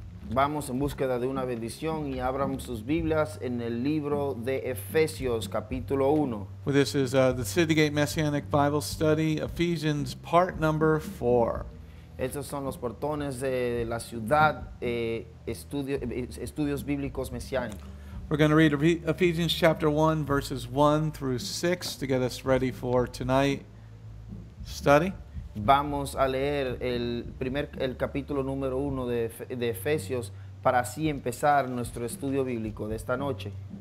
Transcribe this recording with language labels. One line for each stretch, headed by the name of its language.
Spanish: Vamos en búsqueda de una bendición y abran sus Biblias en el libro de Efesios, capítulo 1.
English: Well, this is the City Gate Messianic Bible Study, Ephesians, part number 4.
Spanish: Estos son los portones de la ciudad, estudios bíblicos mesiánicos.
English: We're going to read Ephesians, chapter 1, verses 1 through 6 to get us ready for tonight. Study.
Spanish: Vamos a leer el capítulo número uno de Efesios para así empezar nuestro estudio bíblico de esta noche.